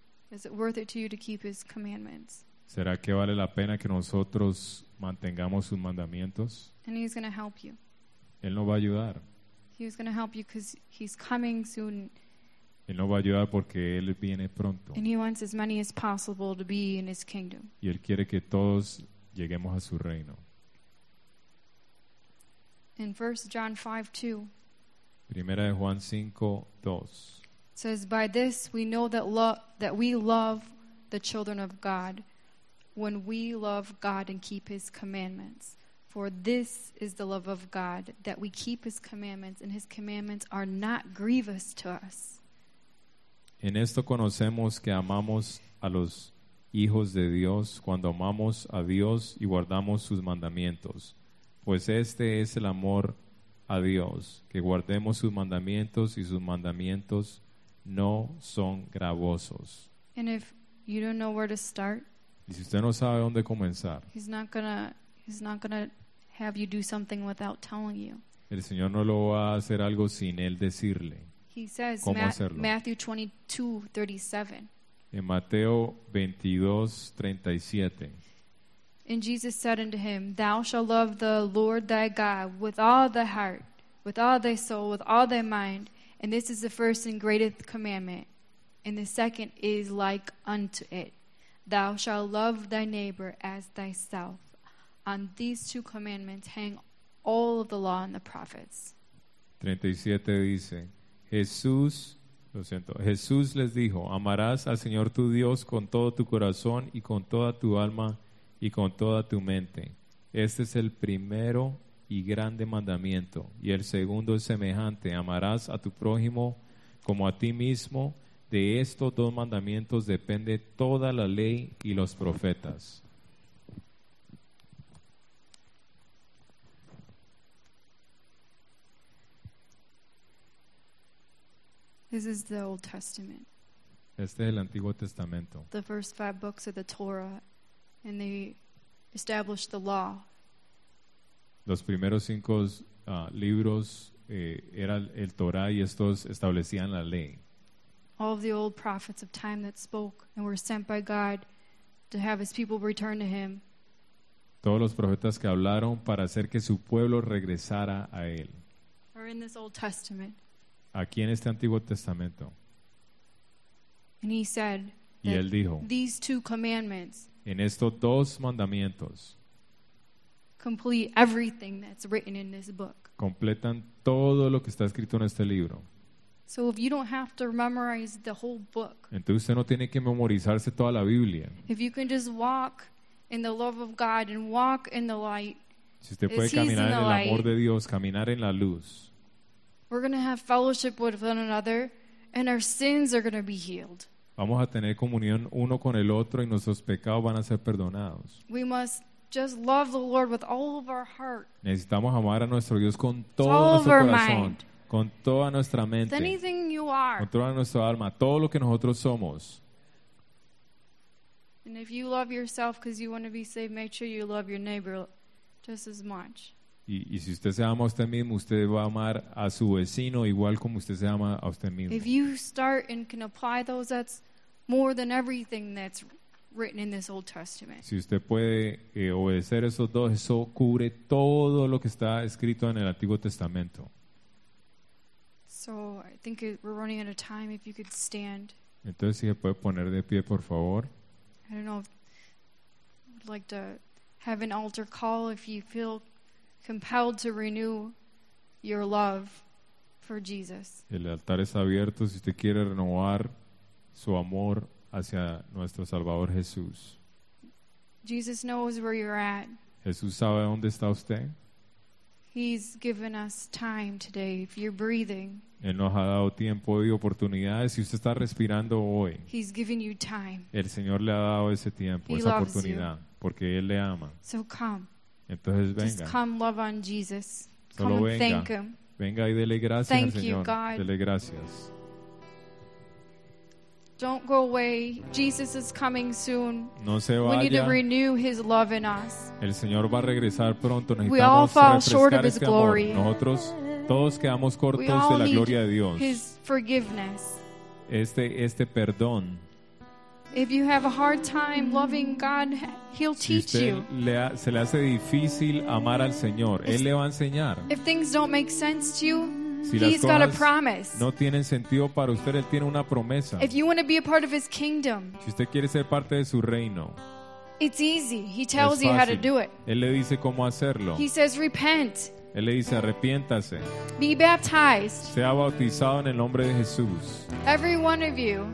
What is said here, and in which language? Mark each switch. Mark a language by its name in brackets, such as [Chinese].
[English] Is it worth it to you to keep his commandments? [Spanish] ¿Será que vale la pena que nosotros mantengamos sus mandamientos? [English] And he's going to help you. [Spanish] Él nos va a ayudar. [English] He's going to help you because he's coming soon. [Spanish] Él nos va a ayudar porque él viene pronto. [English] And he wants as many as possible to be in his kingdom. [Spanish] Y él quiere que todos lleguemos a su reino. [English] In 1 John 5:2. [Spanish] Primera de Juan 5:2. [English] It says, by this we know that we love the children of God when we love God and keep his commandments. For this is the love of God, that we keep his commandments, and his commandments are not grievous to us. [Spanish] En esto conocemos que amamos a los hijos de Dios cuando amamos a Dios y guardamos sus mandamientos. Pues este es el amor a Dios, que guardemos sus mandamientos y sus mandamientos no son gravosos. [English] And if you don't know where to start, [Spanish] y si usted no sabe dónde comenzar, [English] he's not gonna have you do something without telling you. [Spanish] El Señor no lo va a hacer algo sin él decirle. [English] He says, [Spanish] ¿cómo hacerlo? [English] Matthew 22:37. [Spanish] En Mateo 22:37. [English] And Jesus said unto him, thou shalt love the Lord thy God with all thy heart, with all thy soul, with all thy mind. And this is the first and greatest commandment. And the second is like unto it. Thou shalt love thy neighbor as thyself. On these two commandments hang all of the law and the prophets. [Spanish] 37 dice, Jesús les dijo, amarás al Señor tu Dios con todo tu corazón y con toda tu alma y con toda tu mente. Este es el primero y grande mandamiento. Y el segundo es semejante: amarás a tu prójimo como a ti mismo. De estos dos mandamientos depende toda la ley y los profetas. [English] This is the Old Testament. [Spanish] Este es el Antiguo Testamento. [English] The first five books of the Torah, and they established the law. [Spanish] Los primeros cinco libros era el Torah, y estos establecían la ley. [English] All of the old prophets of time that spoke and were sent by God to have his people return to him. [Spanish] Todos los profetas que hablaron para hacer que su pueblo regresara a él. [English] Are in this Old Testament. [Spanish] Aquí en este Antiguo Testamento. [English] And he said, [Spanish] y él dijo, [English] these two commandments, [Spanish] en estos dos mandamientos, [English] complete everything that's written in this book. [Spanish] Completan todo lo que está escrito en este libro. [English] So if you don't have to memorize the whole book, [Spanish] entonces usted no tiene que memorizarse toda la Biblia. [English] If you can just walk in the love of God and walk in the light, [Spanish] si usted puede caminar en el amor de Dios, caminar en la luz, [English] we're going to have fellowship with one another and our sins are going to be healed. [Spanish] Vamos a tener comunión uno con el otro y nuestros pecados van a ser perdonados. [English] We must just love the Lord with all of our heart. [Spanish] Necesitamos amar a nuestro Dios con todo nuestro corazón, [English] mind, [Spanish] con toda nuestra mente, [English] anything you are, [Spanish] con toda nuestra alma, todo lo que nosotros somos. [English] And if you love yourself because you want to be saved, make sure you love your neighbor just as much. [Spanish] Y si usted se ama a usted mismo, usted va a amar a su vecino igual como usted se ama a usted mismo. [English] If you start and can apply those, that's more than everything that's written in this Old Testament. [Spanish] Si usted puede obedecer esos dos, eso cubre todo lo que está escrito en el Antiguo Testamento. [English] So I think we're running out of time. If you could stand. [Spanish] Entonces, si se puede poner de pie, por favor. [English] I don't know if you'd like to have an altar call if you feel compelled to renew your love for Jesus. [Spanish] El altar está abierto si usted quiere renovar su amor hacia nuestro Salvador Jesús. [English] Jesus knows where you're at. [Spanish] Jesús sabe dónde está usted. [English] He's given us time today. If you're breathing, [Spanish] Él nos ha dado tiempo y oportunidades. Si usted está respirando hoy, [English] he's given you time. [Spanish] El Señor le ha dado ese tiempo, [English] he [Spanish] esa oportunidad, [English] you, [Spanish] porque Él le ama. [English] So come. [Spanish] Entonces venga. [English] Just come love on Jesus. [Spanish] Solo [English] come and [Spanish] venga. [English] Thank him. [Spanish] Venga y dele gracias, [English] thank [Spanish] al Señor. [English] You, God. [Spanish] Dele gracias. [English] Don't go away. Jesus is coming soon. [Spanish] No se vaya. [English] We need to renew his love in us. [Spanish] El Señor va a regresar pronto. [English] We all fall short of his glory. [Spanish] Nosotros todos quedamos cortos de la gloria de Dios. [English] His forgiveness. [Spanish] Este perdón. [English] If you have a hard time loving God, he'll teach you. [Spanish] Se le hace difícil amar al Señor. Él le va a enseñar. [English] If things don't make sense to you, [Spanish] si [English] he's got a promise. [Spanish] No tienen sentido para usted, él tiene una promesa. [English] If you want to be a part of his kingdom, [Spanish] si usted quiere ser parte de su reino, [English] it's easy. He tells you how to do it. [Spanish] Él le dice cómo hacerlo. [English] He says, repent. [Spanish] Él le dice, arrepiéntase. [English] Be baptized. [Spanish] Sea bautizado en el nombre de Jesús. [English] Every one of you.